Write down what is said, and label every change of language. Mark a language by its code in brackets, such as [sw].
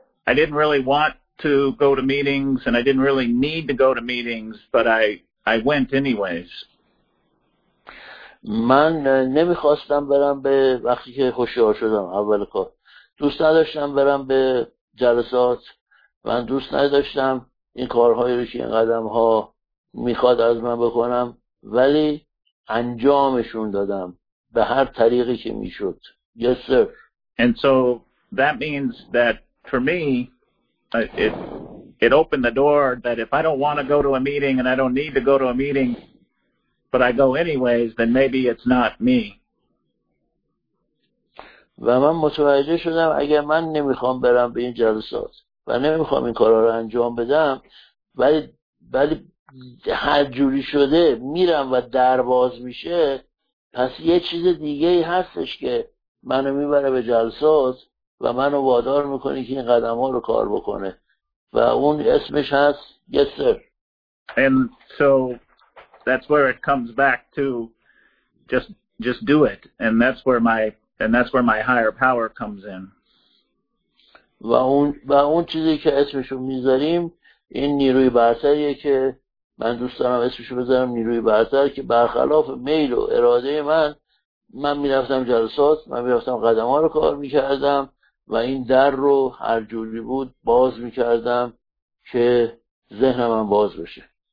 [en] I didn't really want to go to meetings and I didn't really need to go to meetings, but I went anyways. [fa] من نمیخواستم برم به وقتی که هوشیار شدم اول کار. دوست نداشتم برم به جلسات، من دوست نداشتم این کارهایی رو که این قدمها میخواد از من بکنم، ولی انجامشون دادم به هر طریقی که میشد. [en] Yes, sir. And so that means that for me it opened the door that if I don't want to go to a meeting and I don't need to go to a meeting but I go anyways, then maybe it's not me. [fa] و من متوجه شدم اگر من نمیخوام برم به این جلسات و نمیخوام این کارها رو انجام بدم، ولی هر جوری شده میرم و در باز میشه، پس یه چیز دیگه هستش که منو میبره به جلسات و منو وادار میکنه که این قدم ها رو کار بکنه و اون اسمش هست. [en] Yes, sir. And so that's where it comes back to just do it, and that's where my higher power comes in. [fa] و اون چیزی که اسمشو میذاریم این نیروی برتریه که من دوست دارم اسمشو بذارم نیروی برتر، که برخلاف میل و اراده من میرفتم جلسات، من میرفتم قدم ها رو کار میکردم و این در رو هر جوری بود باز میکردم که ذهن من باز بشه.